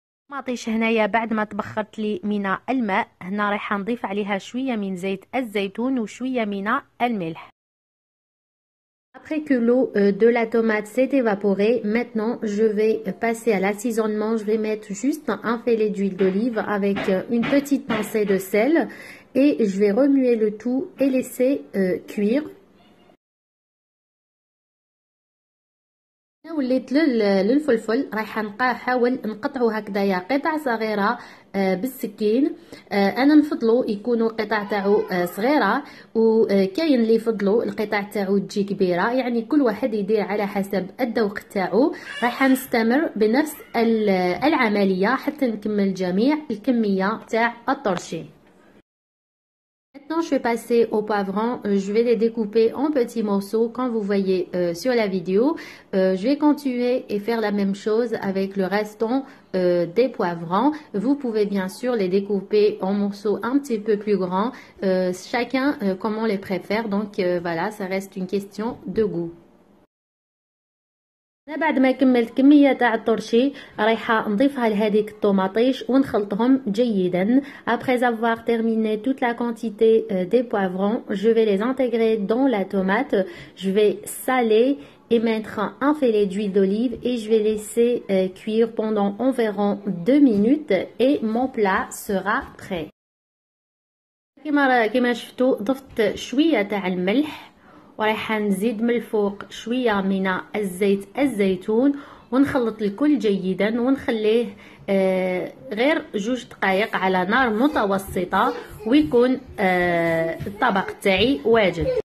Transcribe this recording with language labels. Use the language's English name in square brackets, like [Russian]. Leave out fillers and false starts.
[Arabic] مطيش هنايا بعد ما تبخرت لي من الماء، هنا راح نضيف عليها شويه من زيت الزيتون وشويه من الملح. [French] Après que l'eau de la tomate s'est évaporée, maintenant je vais passer à l'assaisonnement. Je vais mettre juste un filet d'huile d'olive avec une petite pincée de sel et je vais remuer le tout et laisser cuire. [Arabic] وليت للفلفل رايحة نحاول نقطعو هكذايا قطع صغيرة بالسكين. أنا نفضلو يكونوا قطع تاعو صغيرة، وكاين اللي يفضلو القطع تاعو تجي كبيرة، يعني كل واحد يدير على حسب الذوق تاعو. رايحة نستمر بنفس العملية حتى نكمل جميع الكمية تاع الطرشي. [French] Maintenant, je vais passer au poivron. Je vais les découper en petits morceaux comme vous voyez sur la vidéo. Je vais continuer et faire la même chose avec le restant des poivrons. Vous pouvez bien sûr les découper en morceaux un petit peu plus grands, chacun comme on les préfère. Donc voilà, ça reste une question de goût. [Arabic] انا بعد ما كملت كمية تاع الطرشي رايحة نضيفها لهذيك الطوماطيش ونخلطهم جيدا. [French] Après avoir terminé toute la quantité des poivrons, je vais les intégrer dans la tomate. Je vais saler et mettre un filet d'huile d'olive et je vais laisser cuire pendant environ 2 minutes et mon plat sera prêt. [Arabic] كما شفتو ضفت شوية تاع الملح ورايحة نزيد من الفوق شوية من الزيت الزيتون ونخلط الكل جيدا ونخليه غير 2 دقائق على نار متوسطة ويكون الطبق تاعي واجد.